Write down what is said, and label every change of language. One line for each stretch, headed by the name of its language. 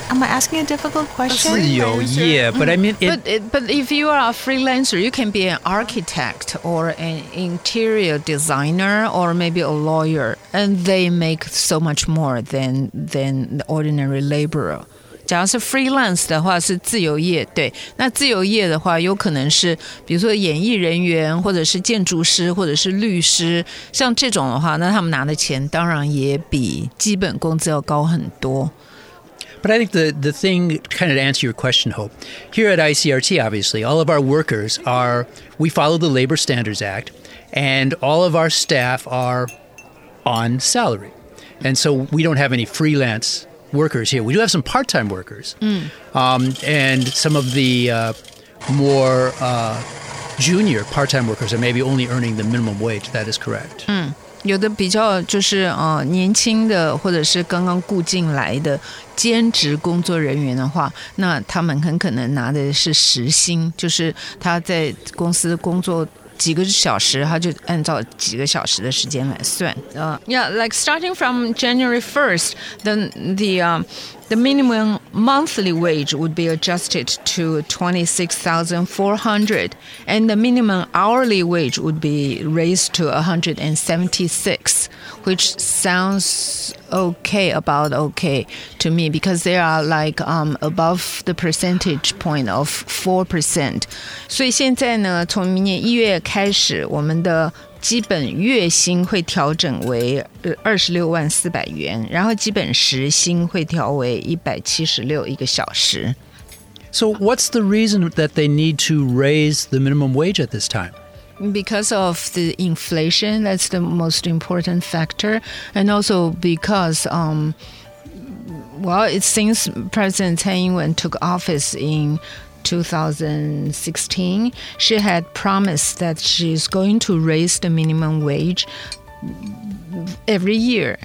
English: Am I asking a difficult question? Oh, yeah, but I mean, but if you are a freelancer, you can be an architect or an interior designer or maybe a lawyer, and they make so much more than the ordinary laborer.
Chinese: 假如是 freelance 的话是自由业，对，那自由业的话有可能是比如说演艺人员或者是建筑师或者是律师，像这种的话，那他们拿的钱当然也比基本工资要高很多。
English: But I think the thing, kind of to answer your question, Hope, here at ICRT, obviously, all of our workers are, we follow the Labor Standards Act, and all of our staff are on salary. And so we don't have any freelance workers here. We do have some part-time workers. And some of the more junior part-time workers are maybe only earning the minimum wage. That is correct.
Chinese: 有的比较就是年轻的或者是刚刚雇进来的兼职工作人员的话，那他们很可能拿的是时薪，就是他在公司工作几个小时，他就按照几个小时的时间来算。
English: Yeah, like starting from January 1st, then the minimum monthly wage would be adjusted to 26,400, and the minimum hourly wage would be raised to 176, which sounds about okay to me, because they are like above the percentage point of 4%.
Chinese: 所以现在呢，从明年1月开始，我们的基本月薪会调整为26,400元，然后基本时薪会调为176一个小时。
English: So what's the reason that they need to raise the minimum wage at this time? Because of the inflation, that's the most important factor, and also because it seems President Tsai Ing-wen took office in 2016, she had promised that she's going to raise the minimum wage every year.